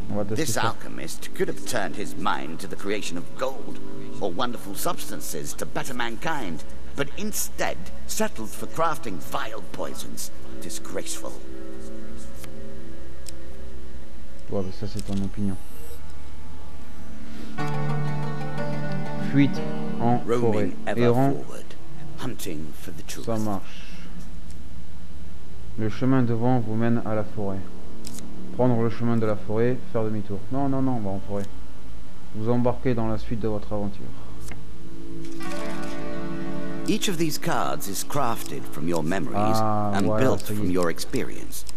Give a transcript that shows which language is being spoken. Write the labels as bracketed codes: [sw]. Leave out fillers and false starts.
[en] This alchemist could have turned his mind to the creation of gold or wonderful substances to better mankind, but instead settled for crafting vile poisons. Disgraceful. [fr] Ouais, bah ça c'est ton opinion. Fuite en forêt, errant, [en] hunting for the truth. [fr] Ça marche. Le chemin devant vous mène à la forêt. Prendre le chemin de la forêt, faire demi-tour. Non, on va en forêt. Vous embarquez dans la suite de votre aventure. [en] Each of these cards is crafted from your memories and [fr] voilà, [en] built from your experience.